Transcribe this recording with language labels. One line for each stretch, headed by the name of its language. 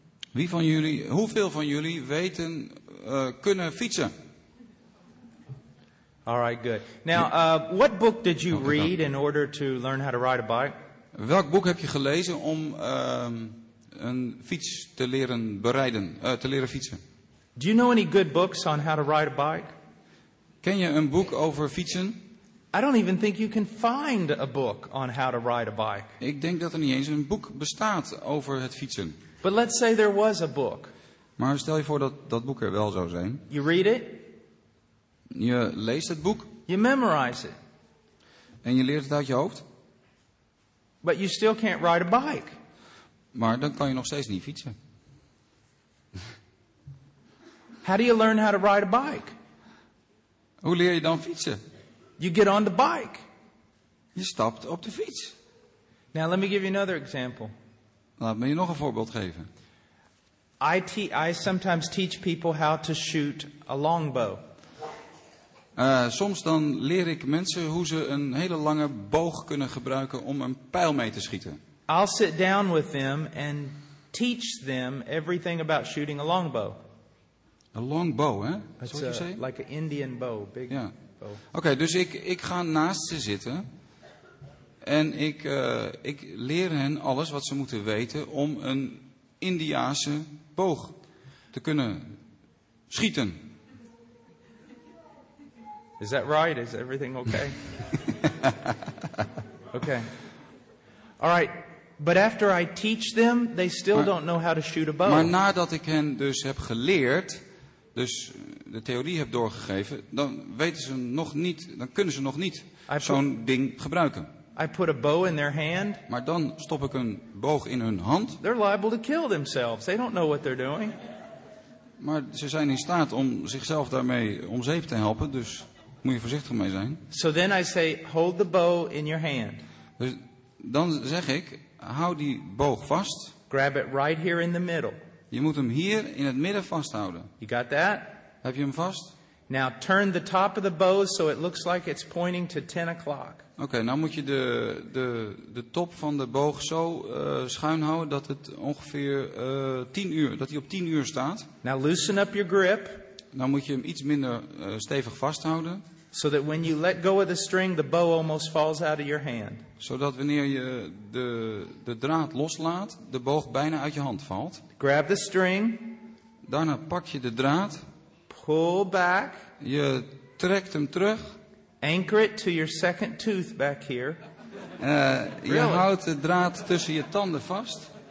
Dutch: Wie van jullie, hoeveel van jullie weten kunnen fietsen?
English: All right, good. Now, what book did you read in order to learn how to ride a bike?
Dutch: Welk boek heb je gelezen om een fiets te leren berijden, te leren fietsen?
English: Do you know any good books on how to ride a bike?
Dutch: Ken je een boek over fietsen?
English: I don't even think you can find a book on how to ride a bike.
Dutch: Ik denk dat er niet eens een boek bestaat over het fietsen.
English: But let's say there was a book.
Dutch: Maar stel je voor dat dat boek er wel zou zijn.
English: You read it.
Dutch: Je leest het boek.
English: You memorize it.
Dutch: En je leert het uit je hoofd.
English: But you still can't ride a bike.
Dutch: Maar dan kan je nog steeds niet fietsen.
English: How do you learn how to ride a bike?
Dutch: Hoe leer je dan fietsen?
English: You get on the bike.
Dutch: Je stapt op de fiets.
English: Now let me give you another example.
Dutch: Laat me je nog een voorbeeld geven.
English: I sometimes teach people how to shoot a longbow.
Dutch: Soms dan leer ik mensen hoe ze een hele lange boog kunnen gebruiken om een pijl mee te schieten.
English: I'll sit down with them and teach them everything about shooting a longbow. A longbow, hè? Like an Indian bow, big.
Dutch: Ja. Okay, dus ik ga naast ze zitten. En ik leer hen alles wat ze moeten weten om een Indiase boog te kunnen schieten.
English: Is that right? Is everything okay? Okay. All right. But after I teach them, they still don't know how to shoot a bow.
Dutch: Maar nadat ik hen dus heb geleerd, dus de theorie heb doorgegeven, dan kunnen ze nog niet zo'n ding gebruiken.
English: I put a bow in their hand.
Dutch: Maar dan stop ik een boog in hun hand.
English: They're liable to kill themselves. They don't know what they're doing.
Dutch: Maar ze zijn in staat om zichzelf daarmee om zeep te helpen, dus moet je voorzichtig mee zijn.
English: So then I say, hold the bow in your hand.
Dutch: Dus dan zeg ik, hou die boog vast.
English: Grab it right here in the middle.
Dutch: Je moet hem hier in het midden vasthouden.
English: You got that?
Dutch: Heb je hem vast?
English: Now turn the top of the bow so it looks like it's pointing to 10 o'clock.
Dutch: Oké, nou moet je de top van de boog zo schuin houden dat het ongeveer 10 uur, dat hij op 10 uur staat.
English: Now loosen up your grip.
Dutch: Nou moet je hem iets minder stevig vasthouden.
English: So that when you let go of the string, the bow almost falls out of your hand.
Dutch: Zodat wanneer je de draad loslaat, de boog bijna uit je hand valt.
English: Grab the string.
Dutch: Daarna pak je de draad.
English: Pull back.
Dutch: Je trekt hem terug.
English: Anchor it to your second tooth back here.
Dutch: Je houdt de draad tussen je tanden vast.